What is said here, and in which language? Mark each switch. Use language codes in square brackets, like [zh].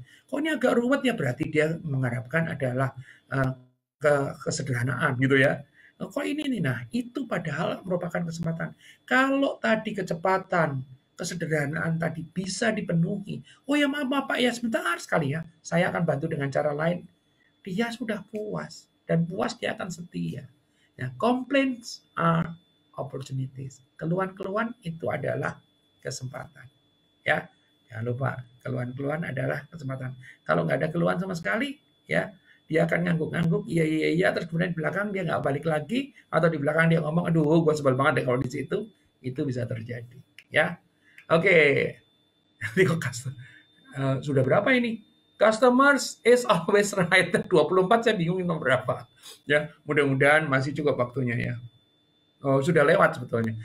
[id] Kok ini agak ruwet ya, berarti dia mengharapkan adalah kesederhanaan gitu ya. Kok ini nih, nah itu padahal merupakan kesempatan. Kalau tadi kecepatan kesederhanaan tadi bisa dipenuhi. Oh ya maaf, Pak ya sebentar sekali ya. Saya akan bantu dengan cara lain. Dia sudah puas dan puas dia akan setia. [en] Nah, complaints are opportunities. [id] Keluhan-keluhan itu adalah kesempatan. Ya, jangan lupa keluhan-keluhan adalah kesempatan. Kalau nggak ada keluhan sama sekali, ya dia akan ngangguk-ngangguk, iya, terus kemudian di belakang dia nggak balik lagi, atau di belakang dia ngomong, aduh, gue sebel banget deh kalau di situ, itu bisa terjadi. Ya, oke. Nanti kok sudah berapa ini? [en] Customers is always right. [id] 24 saya bingung nomor berapa. Ya, mudah-mudahan masih cukup waktunya ya. Oh, sudah lewat sebetulnya.